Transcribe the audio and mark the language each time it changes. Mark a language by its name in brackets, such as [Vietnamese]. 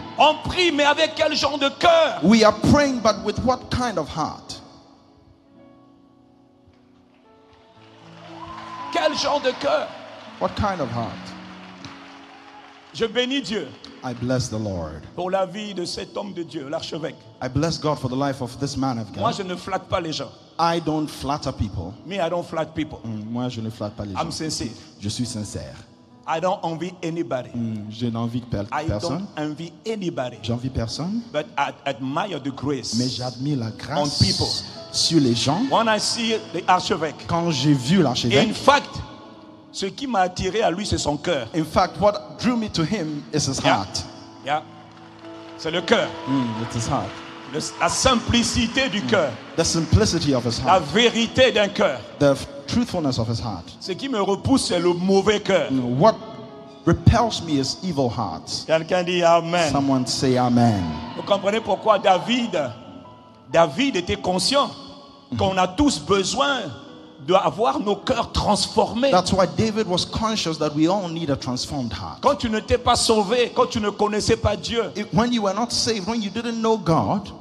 [French] On prie, mais avec quel genre de cœur? [English] We are praying, but with what kind of heart? [French] Quel genre de cœur? [English] What kind of heart? [French] Je bénis Dieu. [English] I bless the Lord. [French] Pour la vie de cet homme de Dieu, l'archevêque. [English] I bless God for the life of this man of God. [French] Moi, je ne flatte pas les gens. [English] I don't flatter people. Me, I don't flatter people. [French] Moi, je ne flatte pas les [English] I'm I'm sincere. [French] Je suis sincère. [English] I don't envy anybody. [French] Je n'envie personne. [English] I don't envy anybody. [French] J'envie personne. [English] But I admire the grace. [French] Mais j'admire la grâce. [English] On people. [French] Sur les gens. [English] When I see the archevêque. [French] Quand j'ai vu l'archevêque. [English] In fact. [French] Ce qui m'a attiré à lui, c'est son cœur. [English] In fact, what drew me to him is his heart. [French] Yeah. C'est le cœur. [English] It's his heart. [French] La simplicité du cœur. [English] The simplicity of his heart. [French] La vérité d'un cœur. [English] The truthfulness of his heart. [French] Ce qui me repousse, c'est le mauvais cœur. [English] What repels me is evil hearts. [French] Quelqu'un dit amen. [English] Someone say amen. [French] Vous comprenez pourquoi David était conscient qu'on a tous besoin d'avoir nos cœurs transformés. [English] That's why David was conscious that we all need a transformed heart. [French] Quand tu ne t'es pas sauvé, quand tu ne connaissais pas Dieu, [English] when you were not saved, when you didn't know God,